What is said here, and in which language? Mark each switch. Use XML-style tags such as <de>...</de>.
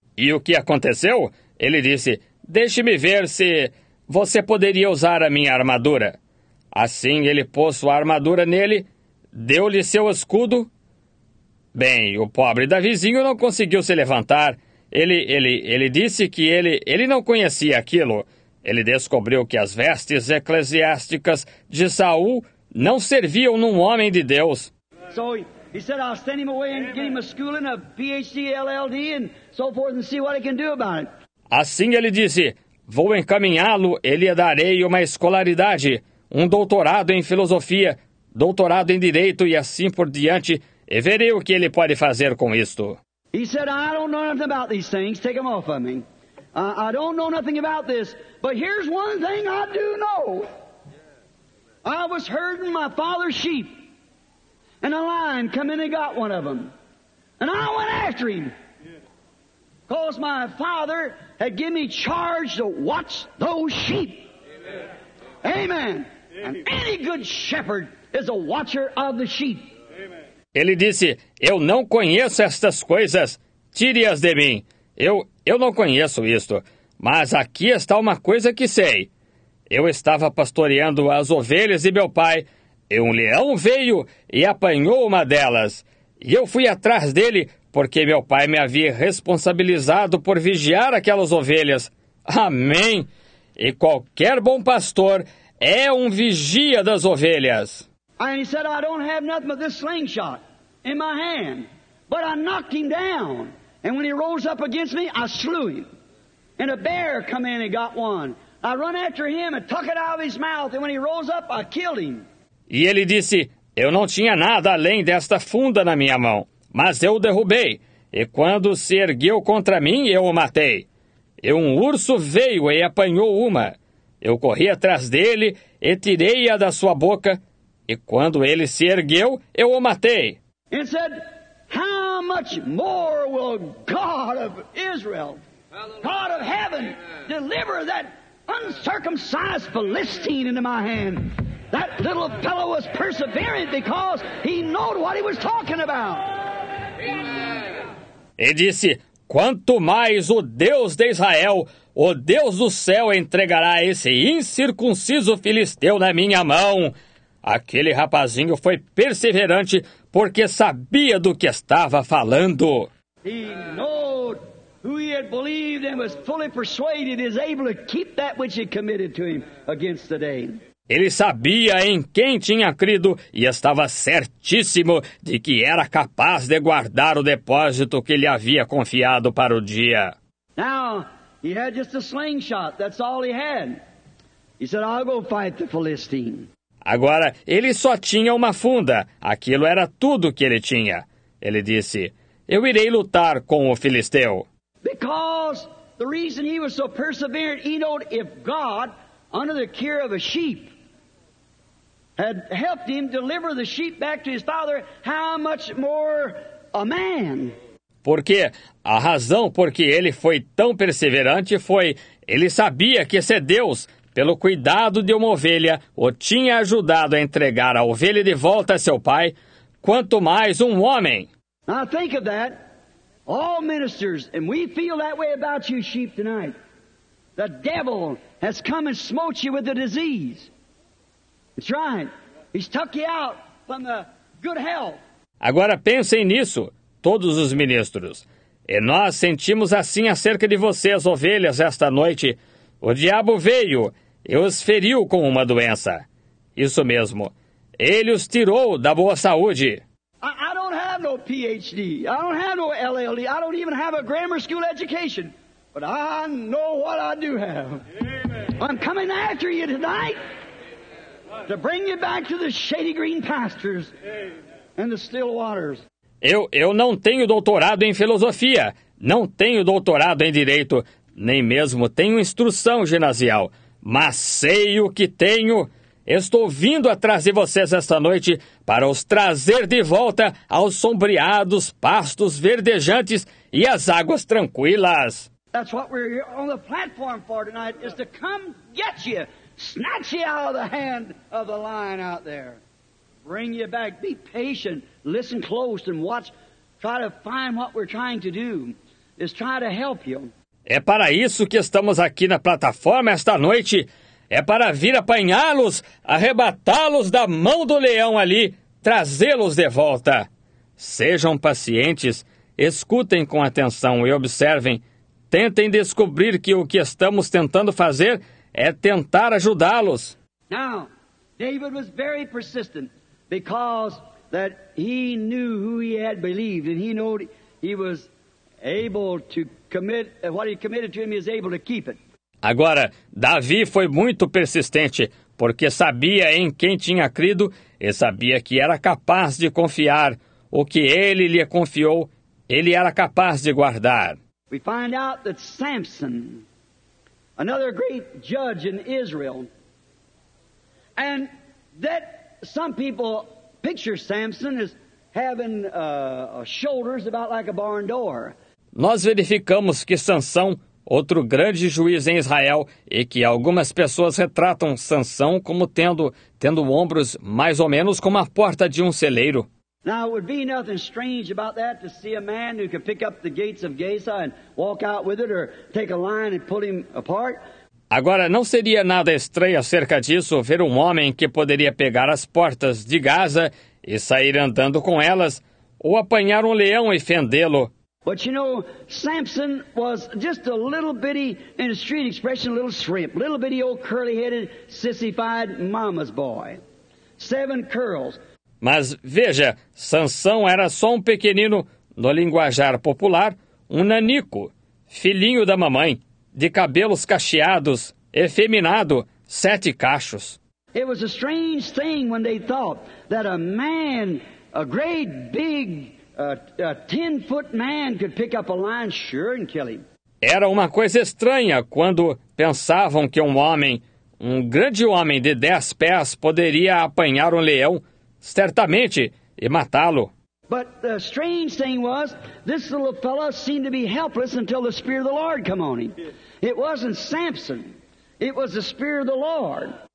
<pt>E o que aconteceu? Ele disse, deixe-me ver se você poderia usar a minha armadura. Assim ele pôs sua armadura nele, deu-lhe seu escudo. Bem, o pobre Davizinho não conseguiu se levantar. Ele disse que ele não conhecia aquilo. Ele descobriu que as vestes eclesiásticas de Saul não serviam num homem de Deus.</pt> <en>So he said, I'll send him away and get him a schooling, a PhD, LLD, and so forth, and see what he can do about it.</en> <pt>Assim ele disse, vou encaminhá-lo, ele darei uma escolaridade, um doutorado em filosofia, doutorado em direito e assim por diante, e verei o que ele pode fazer com isto.</pt> <en>He said, I don't know nothing about these things, take them off of me. I don't know nothing about this, but here's one thing I do know. I was herding my father's sheep. And a lion come in and got one of them. And I went after him. Because my father had given me charge to watch those sheep. Amen. Amen. And any good shepherd is a watcher of the sheep.</en> <pt>Ele disse, eu não conheço estas coisas. Tire-as de mim. Eu não conheço isto. Mas aqui está uma coisa que sei. Eu estava pastoreando as ovelhas e meu pai... E um leão veio e apanhou uma delas. E eu fui atrás dele, porque meu pai me havia responsabilizado por vigiar aquelas ovelhas. Amém! E qualquer bom pastor é um vigia das ovelhas. E ele disse,</pt> <en>I don't have nothing but this slingshot in my hand. But I knocked him down. And when he rose up against me, I slew him. And a bear come in and got one. I run after him and took it out of his mouth. And when he rose up, I killed him.</en> <pt>E ele disse, eu não tinha nada além desta funda na minha mão, mas eu o derrubei, e quando se ergueu contra mim, eu o matei. E um urso veio e apanhou uma. Eu corri atrás dele e tirei-a da sua boca, e quando ele se ergueu, eu o matei. Ele disse,</pt> <en>how much more will God of Israel, God of heaven, deliver that uncircumcised Philistine into my hand? That little fellow was perseverant because he knew what he was talking about.</en> <pt>E disse, quanto mais o Deus de Israel, o Deus do céu, entregará esse incircunciso filisteu na minha mão. Aquele rapazinho foi perseverante porque sabia do que estava falando.</pt> <en>He knew who he had believed and was fully persuaded is able to keep that which he committed to him against the day.</en> <pt>Ele sabia em quem tinha crido e estava certíssimo de que era capaz de guardar o depósito que lhe havia confiado para o dia.</pt> <en>Now, he had just a slingshot, that's all he had. He said, I'll go fight the Philistine.</en> <pt>Agora, ele só tinha uma funda, aquilo era tudo que ele tinha. Ele disse, eu irei lutar com o Filisteu.</pt> <en>Because the reason he was so perseverant, he knew if God... under the care of a sheep, had helped him deliver the sheep back to his father, how much more a man?</en> <pt>Porque a razão por que ele foi tão perseverante foi, ele sabia que esse Deus, pelo cuidado de uma ovelha, o tinha ajudado a entregar a ovelha de volta a seu pai, quanto mais um homem.</pt> <en>Now think of that. All ministers, and we feel that way about you sheep tonight. The devil has come and smote you with the disease. That's right. He's took you out from the good health.</en> <pt>Agora pensem nisso, todos os ministros. E nós sentimos assim acerca de vocês, ovelhas, esta noite. O diabo veio e os feriu com uma doença. Isso mesmo. Ele os tirou da boa saúde.</pt> <en>I don't have no PhD. I don't have no LLD. I don't even have a grammar school education. But I know what I do have. Amen. I'm coming after you tonight to bring you back to the shady green pastures and the still waters.</en> <pt>Eu não tenho doutorado em filosofia, não tenho doutorado em direito, nem mesmo tenho instrução ginasial. Mas sei o que tenho Estou vindo atrás de vocês esta noite para os trazer de volta aos sombreados pastos verdejantes e às águas tranquilas.</pt> <en>That's what we're here on the platform for tonight, is to come get you, snatch you out of the hand of the lion out there, bring you back, be patient, listen close and watch, try to find what we're trying to do, is try to help you.</en> <pt>É para isso que estamos aqui na plataforma esta noite, é para vir apanhá-los, arrebatá-los da mão do leão ali, trazê-los de volta. Sejam pacientes, escutem com atenção e observem. Tentem descobrir que o que estamos tentando fazer é tentar ajudá-los.</pt> <en>Now, David was very persistent because that he knew who he had believed and he knew he was able to commit what he committed to him, he was able to keep it.</en> <pt>Agora, Davi foi muito persistente porque sabia em quem tinha crido e sabia que era capaz de confiar o que ele lhe confiou, ele era capaz de guardar.</pt> <en>We find out that Samson, another great judge in Israel, and that some people picture Samson as having shoulders about like a barn door.</en> <pt>Nós verificamos que Sansão, outro grande juiz em Israel, e que algumas pessoas retratam Sansão como tendo ombros mais ou menos como a porta de um celeiro.</pt> <en>Now, it would be nothing strange about that to see a man who could pick up the gates of Gaza and walk out with it or take a lion and pull him apart.</en> <pt>Agora, não seria nada estranho acerca disso ver um homem que poderia pegar as portas de Gaza e sair andando com elas ou apanhar um leão e fendê-lo.</pt> <en>But you know, Samson was just a little bitty, in a street expression, a little shrimp, little bitty old curly-headed, sissified mama's boy. Seven curls.</en> <pt>Mas veja, Sansão era só um pequenino, no linguajar popular, um nanico, filhinho da mamãe, de cabelos cacheados, efeminado, sete cachos.</pt> <en>It was a strange thing when they thought that a man, a great big, a 10-foot man could pick up a lion sure and kill him.</en> <pt>Era uma coisa estranha quando pensavam que um grande homem de 10 pés poderia apanhar um leão. Certamente, e matá-lo.</pt> <en>But the strange thing was, this little fellow seemed to be helpless until the Spirit of the Lord came on him. It wasn't Samson, it was the Spirit of the Lord.</en>